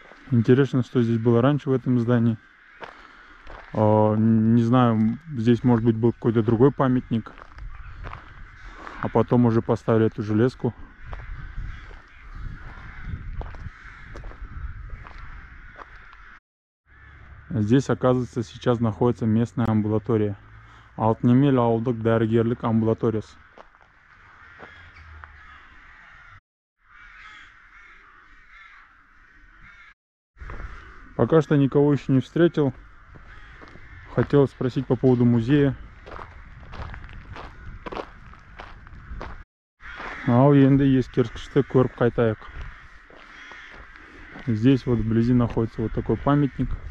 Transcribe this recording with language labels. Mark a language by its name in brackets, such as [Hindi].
[Russian] Интересно, что здесь было раньше в этом здании. Не знаю, здесь может быть был какой-то другой памятник. А потом уже поставили эту железку. Здесь, оказывается, сейчас находится местная амбулатория. [Kazakh] Алтнемель ауылдық дәрігерлік амбулаториясы. [Russian] Пока что никого еще не встретил. Хотел спросить по поводу музея. [Kazakh] Ау енді ескерткішті көріп қайтайық. [Russian] Здесь вот вблизи находится вот такой памятник.